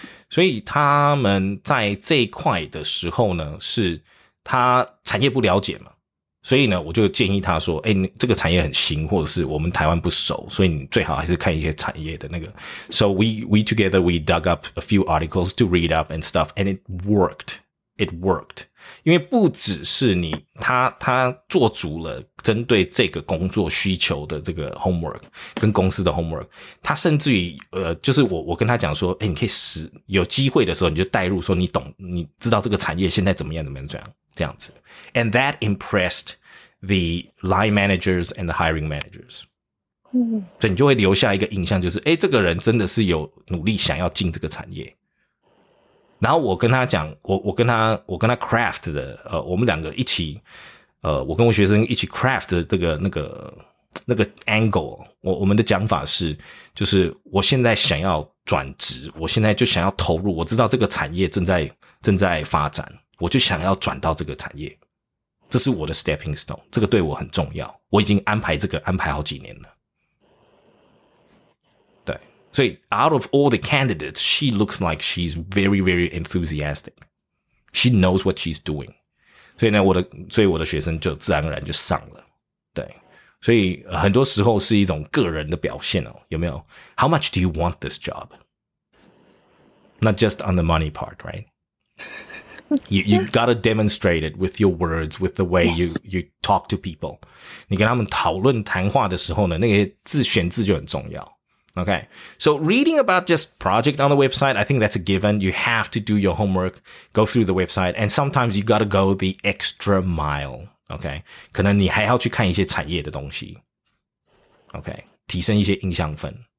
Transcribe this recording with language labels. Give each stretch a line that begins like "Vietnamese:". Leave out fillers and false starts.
Chinese: 所以他们在这一块的时候呢是他产业不了解嘛。所以呢我就建议他说诶这个产业很新，或者是我们台湾不熟，所以你最好还是看一些产业的那个。
English: So we together, we dug up a few articles to read up and stuff, and it worked.
Chinese: 因为不只是你他做足了针对这个工作需求的这个 homework, 跟公司的 homework, 他甚至于就是我跟他讲说诶你可以使有机会的时候你就带入说你知道这个产业现在怎么样。这样子。
English: And that impressed the line managers and the hiring managers.、嗯、
Chinese: 所以你就会留下一个印象就是诶这个人真的是有努力想要进这个产业。然后我跟他讲我跟他 craft 的我们两个一起我跟我学生一起 craft 的这个那个 angle, 我们的讲法是就是我现在想要转职，我现在就想要投入，我知道这个产业正在发展。我就想要转到这个产业，这是我的 stepping stone, 这个对我很重要，我已经安排这个安排好几年了。对，所以
English: out of all the candidates, she looks like she's very, very enthusiastic. She knows what she's doing.
Chinese: 所以呢，我的学生就自然而然就上了。对，所以很多时候是一种个人的表现哦，有没有？
English: How much do you want this job? Not just on the money part, right? You've got to demonstrate it with your words, with the way、 yes. you talk to people.
Chinese: 你跟他们讨论谈话的时候呢，那些自选字就很重要。
English: Okay, so reading about just project on the website, I think that's a given. You have to do your homework, go through the website, and sometimes you've got to go the extra mile.
Chinese: Okay, 可能你还要去看一些产业的东西。Okay, 提升一些印象分。